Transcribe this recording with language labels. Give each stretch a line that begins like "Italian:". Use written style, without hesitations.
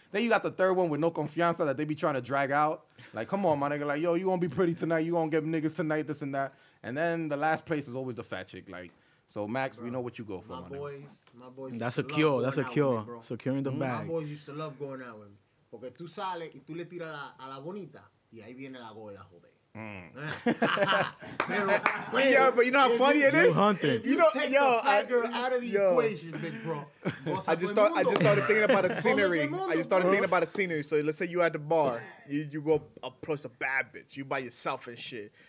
English: Then you got the third one with no confianza that they be trying to drag out. Like, come on, my nigga. Like, yo, you gonna be pretty tonight. You gonna get niggas tonight, this and that. And then the last place is always the fat chick. Like, so Max, bro, we know what you go for, my boys, nigga. My boys. That's a cure. That's a cure. Securing the bag. My boys used to love going out with me.
Spanish: Porque tú sales y tú le tiras a la bonita y ahí viene la boya, joder. Mm.
English: Pero, yeah, but you know how funny it is. You know, take yo, the fat girl out of the equation, big bro. I just started thinking about the scenery. So let's say you at the bar, you go approach a bad bitch, you by yourself and shit.